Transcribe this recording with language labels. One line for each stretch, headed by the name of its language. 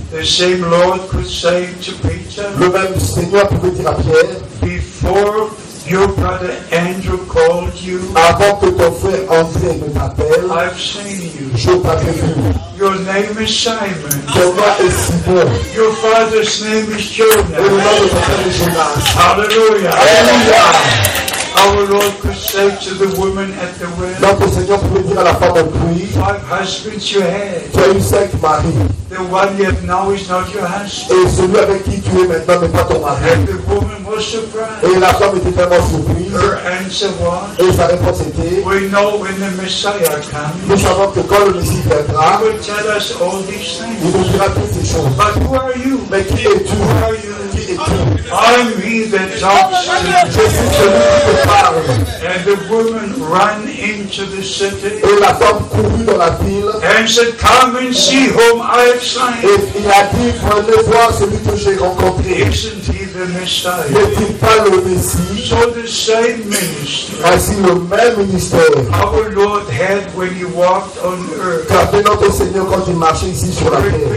English: The same Lord could say to Peter,
French: le même Seigneur pouvait dire à Pierre,
English: before your brother Andrew called you,
French: avant que ton frère André me t'appelle,
English: I've seen you.
French: Je t'avais vu.
English: Your name is Simon.
French: Ton nom est Simon.
English: Your father's name is Jonah.
French: Et le nom de ton père est Jonah.
English: Hallelujah.
French: Hallelujah.
English: Our Lord could say to the woman at the well,
French: notre Seigneur pouvait dire à la femme au puits,
English: five husbands you had.
French: Tu as eu cinq maris.
English: The one you have now is not your husband.
French: Et celui avec qui tu es maintenant n'est pas ton mari.
English: And the woman was surprised.
French: Et la femme était tellement surprise.
English: Her answer was,
French: et sa réponse était,
English: we know when the Messiah comes.
French: Nous savons que quand le Messie viendra,
English: tell us all these things.
French: Il nous dira toutes ces choses.
English: But who are you?
French: Mais qui es-tu?
English: Who are you?
French: Qui es-tu?
English: I'm he that talks to you.
French: Je suis celui qui te parle.
English: And the woman ran into the city.
French: Et la femme courut dans la ville.
English: And said, come and see whom I have slain.
French: Et il a dit, venez voir celui que j'ai rencontré.
English: Isn't he the Messiah?
French: N'est-il pas le Messie?
English: So the same ministry.
French: Ainsi le même ministère.
English: Our Lord had when he walked on earth.
French: Le Seigneur quand il marchait ici sur la terre.